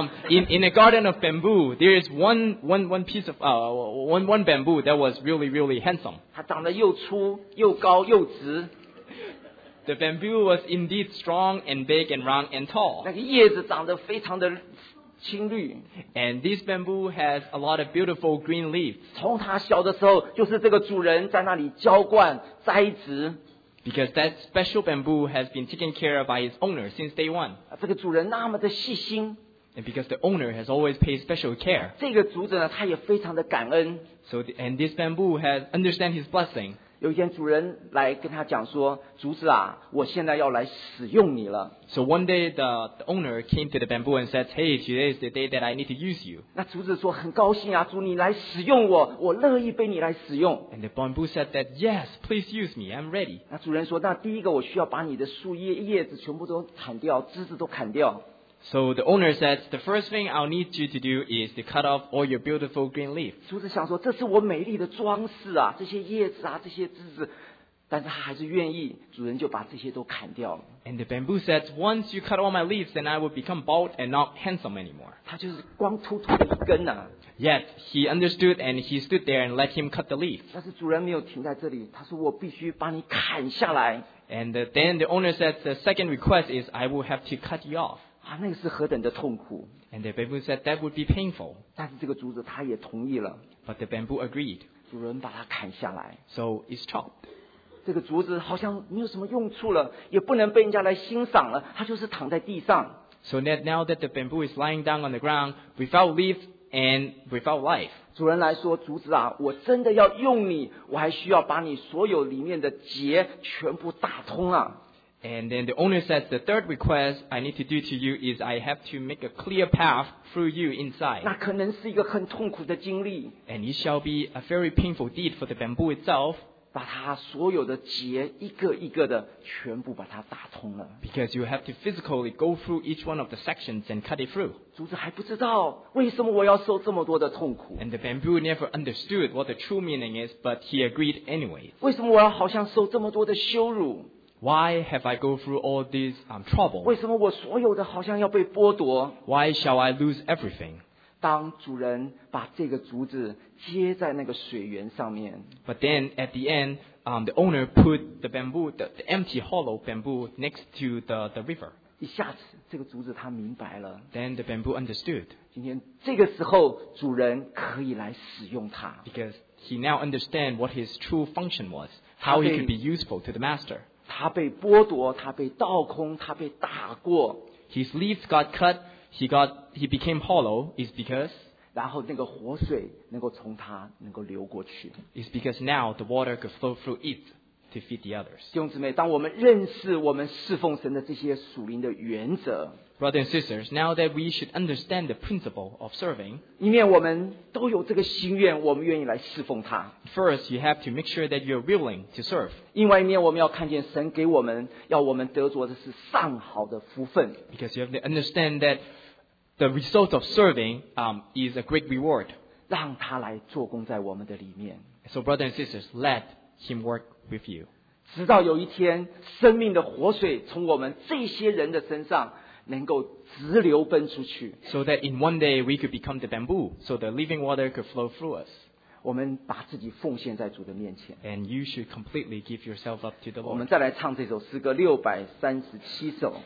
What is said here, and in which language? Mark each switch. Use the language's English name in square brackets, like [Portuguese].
[English] In a garden of bamboo, there is one piece of one bamboo that was really really handsome. [Chinese] 它长得又粗又高又直。 [English] The bamboo was indeed strong and big and round and tall. [Chinese] 那个叶子长得非常的。青绿 [English] and this bamboo has a lot of beautiful green leaves. [Chinese] 从它小的时候，就是这个主人在那里浇灌、栽植。 [English] Because that special bamboo has been taken care of by its owner since day one. [Chinese] 这个主人那么的细心。 [English] And because the owner has always paid special care. [Chinese] 这个竹子呢，他也非常的感恩。 [English] So and this bamboo has understand his blessing. [Chinese] 有一天，主人来跟他讲说：“竹子啊，我现在要来使用你了。” [English] So one day the owner came to the bamboo and said, "Hey, today is the day that I need to use you." [Chinese] 那竹子说：“很高兴啊，主你来使用我，我乐意被你来使用。” [English] And the bamboo said that, "Yes, please use me. I'm ready." [Chinese] 那主人说：“那第一个，我需要把你的树叶叶子全部都砍掉，枝子都砍掉。” [English] So the owner said, "The first thing I'll need you to do is to cut off all your beautiful green leaves." [Chinese] 竹子想说：“这是我美丽的装饰啊，这些叶子啊，这些枝子。” 但是他还是愿意，主人就把这些都砍掉了。 [English] And the bamboo said, "Once you cut all my leaves, then I will become bald and not handsome anymore." [Chinese] 他就是光秃秃的一根呐。 [English] Yet he understood and he stood there and let him cut the leaf. [Chinese] 但是主人没有停在这里，他说：“我必须把你砍下来。” [English] And then the owner said, "The second request is I will have to cut you off." [Chinese] 啊，那个是何等的痛苦。 [English] And the bamboo said that would be painful. [Chinese] 但是这个竹子他也同意了。 [English] But the bamboo agreed. [Chinese] 主人把它砍下来。 [English] So it's chopped. [Chinese] 这个竹子好像没有什么用处了，也不能被人家来欣赏了，它就是躺在地上。 [English] So that now that the bamboo is lying down on the ground without leaves and without life. [Chinese] 主人来说，竹子啊，我真的要用你，我还需要把你所有里面的节全部打通啊。 [English] And then the owner says, the third request I need to do to you is I have to make a clear path through you inside. [Chinese] 那可能是一个很痛苦的经历。 [English] And it shall be a very painful deed for the bamboo itself. [Chinese] 把它所有的结一个一个的全部把它打通了。 [English] Because you have to physically go through each one of the sections and cut it through. [Chinese] 竹子还不知道为什么我要受这么多的痛苦。 [English] And the bamboo never understood what the true meaning is, but he agreed anyway. [Chinese] 为什么我要好像受这么多的羞辱？ [English] Why have I go through all these trouble? [Chinese] 为什么我所有的好像要被剥夺？ [English] Why shall I lose everything? [Chinese] 当主人把这个竹子接在那个水源上面。 [English] But then at the end, the owner put the bamboo, the empty hollow bamboo next to the river. [Chinese] 一下子，这个竹子他明白了。 [English] Then the bamboo understood. [Chinese] 今天这个时候，主人可以来使用它。 [English] Because he now understand what his true function was, how he could be useful to the master. [Chinese] 他被剥夺，他被倒空，他被打过。 [English] His leaves got cut. He became hollow is because [Chinese] 然后那个活水能够从它能够流过去 [English] is because now the water could flow through it to feed the others. [Chinese] 弟兄姊妹，当我们认识我们侍奉神的这些属灵的原则 [English] Brothers and sisters, now that we should understand the principle of serving, [Chinese] 一面我们都有这个心愿，我们愿意来侍奉他。 [English] First, you have to make sure that you're willing to serve. [Chinese] 另外一面我们要看见神给我们，要我们得着的是上好的福分。 [English] Because you have to understand that the result of serving, is a great reward. [Chinese] 让他来做工在我们的里面。 [English] So brothers and sisters, let him work with you. [Chinese] 直到有一天，生命的活水从我们这些人的身上能够直流奔出去。 [English] So that in one day we could become the bamboo, so the living water could flow through us. [Chinese] 我们把自己奉献在主的面前。 [English] And you should completely give yourself up to the Lord. [Chinese] 我们再来唱这首诗歌637首。